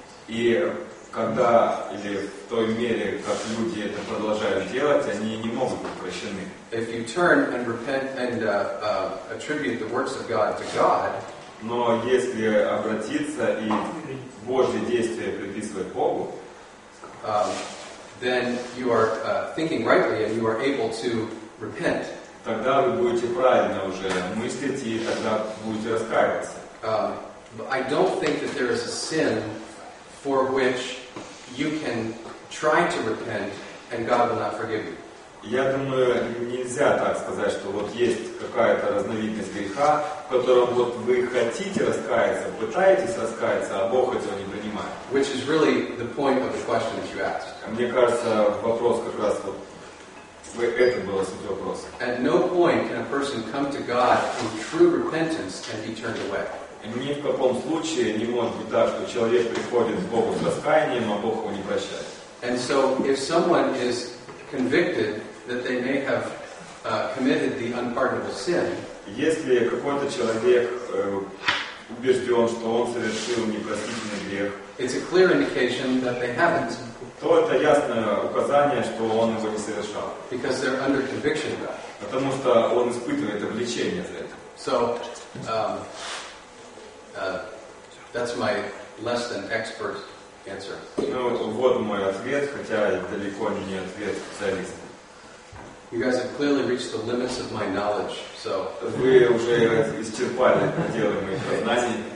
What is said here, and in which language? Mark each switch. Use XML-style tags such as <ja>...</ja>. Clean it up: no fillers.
<ru>И когда или в той мере, как люди это продолжают делать, они не могут быть прощены.</ru> <en>If you turn and repent and attribute the works of God to God,</en> <ru>но если обратиться и Божье действие приписывать Богу,</ru> <en>then you are thinking rightly and you are able to repent.</en> <ru>Тогда вы будете правильно уже мыслить, и тогда будете раскаиваться.</ru> <en>But I don't think that there is a sin for which you can try to repent and God will not forgive you.</en> <ru>Я думаю, нельзя так сказать, что вот есть какая-то разновидность греха, в котором вот вы хотите раскаяться, пытаетесь раскаяться, а Бог этого не принимает.</ru> <en>Which is really the point of the question that you asked.</en> <ru>Мне кажется, вопрос как раз вот это было суть вопроса.</ru> <en>At no point can a person come to God in true repentance and be turned away.</en> <ru>Ни в каком случае не может быть так, что человек приходит к Богу с раскаянием, а Бог его не прощает.</ru> <en>And so, if someone is convicted that they may have committed the unpardonable sin,</en> <ru>если какой-то человек убежден, что он совершил непростительный грех,</ru> <en>it's a clear indication that they haven't.</en> <ru>То это ясное указание, что он его не совершал.</ru> <en>Because they're under conviction of that.</en> <ru>Потому что он испытывает обличение за это.</ru> <en>So, that's my less than expert answer.</en> <ru>Ну вот мой ответ, хотя далеко не ответ специалиста.</ru> <en>You guys have clearly reached the limits of my knowledge, so.</en> <ru>Вы уже исчерпали пределы моих знаний.</ru>